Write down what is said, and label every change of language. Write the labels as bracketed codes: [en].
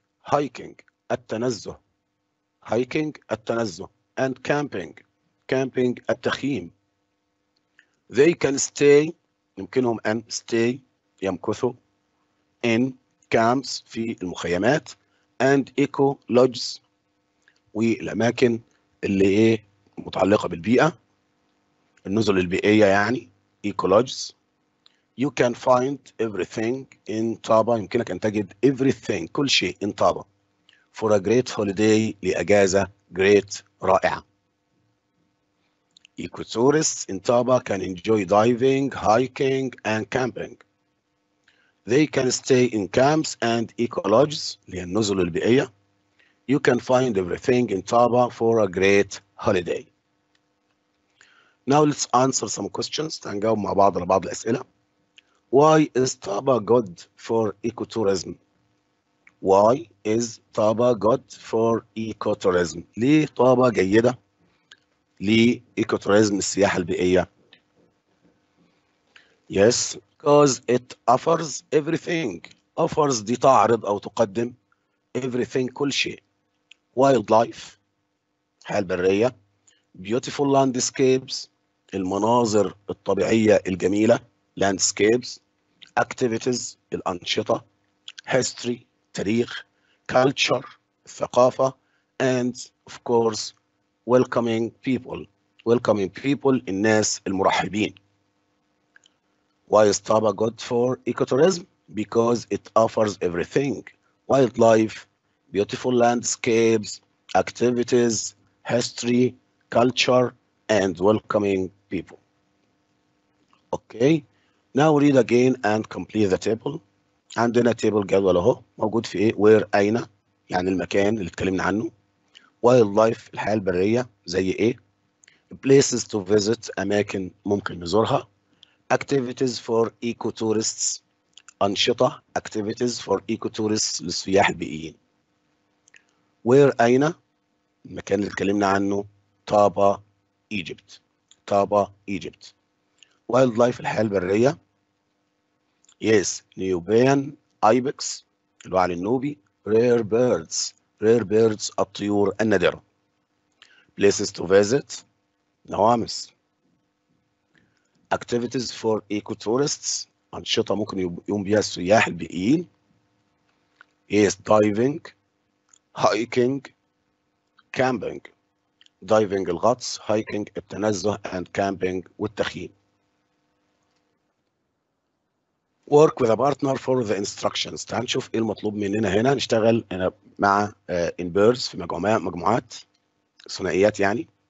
[en] Hiking, [ar] التنزه. [en] Hiking, التنزه. And camping, التخييم. They can stay, [ar] يمكنهم أن [en] stay, [ar] يمكثوا, [en] in camps, [ar] في المخيمات, [en] and eco lodges. [ar] والأماكن اللي هي متعلقة بالبيئة النزل البيئية يعني ecologies. [en] you can find everything in Taba. [ar] يمكنك أن تجد everything, كل شيء in Taba. [en] For a great holiday, [ar] لأجازة [en] great, [ar] رائعة. [en] Ecotourists in Taba can enjoy diving, hiking, and camping. They can stay in camps and ecolodges, [ar] للنزل البيئية. [en] You can find everything in Taba for a great holiday. Now let's answer some questions. [ar] نجاوب مع بعض على بعض الأسئلة. [en] Why is Taba good for ecotourism? Why is Taba good for ecotourism? [ar] ليه طابة جيدة لإيكوتوريزم السياحة البيئية؟ [en] Yes, because it offers everything. [ar] Offers دي تعرض أو تقدم everything, كل شيء. [en] Wildlife, [ar] حياة برية. [en] Beautiful landscapes, [ar] المناظر الطبيعية الجميلة. [en] Landscapes, activities, [ar] الأنشطة. [en] History, [ar] تاريخ. [en] Culture, [ar] ثقافة. [en] And of course, welcoming people. Welcoming people, [ar] الناس المرحبين. [en] Why is Taba good for ecotourism? Because it offers everything. Wildlife, beautiful landscapes, activities, history, culture, and welcoming people. Okay. Now read again and complete the table. [ar] عندنا table جدول اهو. موجود في ايه؟ Where, اين؟ يعني المكان اللي اتكلمنا عنه. [en] Wildlife, [ar] الحياة البرية زي ايه؟ [en] Places to visit, [ar] اماكن ممكن نزورها. [en] Activities for ecotourists, [ar] انشطة. [en] Activities for ecotourists, [ar] للسياح البيئيين. Where, اين؟ المكان اللي اتكلمنا عنه. [en] Taba, Egypt. Taba, Egypt. Wildlife, [ar] الحياة البرية. [en] Yes, Nubian ibex, [ar] الوعل النوبي. [en] Rare birds. Rare birds, [ar] الطيور النادرة. [en] Places to visit, نوامس. [ar] Activities for ecotourists, أنشطة ممكن يقوم بها السياح البيئيين. [en] Yes, diving, hiking, camping. Diving, [ar] الغطس. [en] Hiking, [ar] التنزه. [en] And camping, [ar] والتخييم. [en] Work with a partner for the instructions. [ar] تعال نشوف إيه المطلوب مننا هنا. نشتغل مع [en] in birds, [ar] في مجموعات ثنائيات يعني.